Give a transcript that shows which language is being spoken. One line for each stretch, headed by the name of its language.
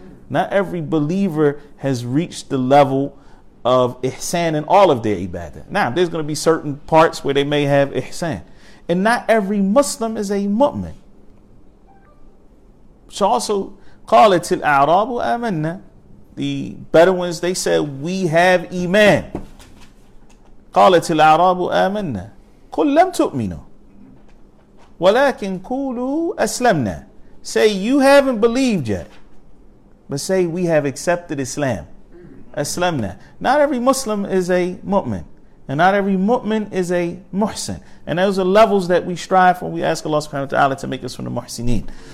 English: Not every believer has reached the level of ihsan in all of their ibadah. Now, there's going to be certain parts where they may have ihsan. And not every Muslim is a mu'min. So also,
Arabic: قال الأعراب آمنا.
English: The Bedouins, they said, we have iman.
Arabic: قالت الأعراب آمنا قل لم تؤمنوا ولكن قولوا أسلمنا.
English: Say, you haven't believed yet, but say, we have accepted Islam.
Arabic: أسلمنا.
English: Not every Muslim is a mu'min, and not every mu'min is a muhsin. And those are levels that we strive for. We ask Allah subhanahu wa ta'ala to make us from the muhsineen.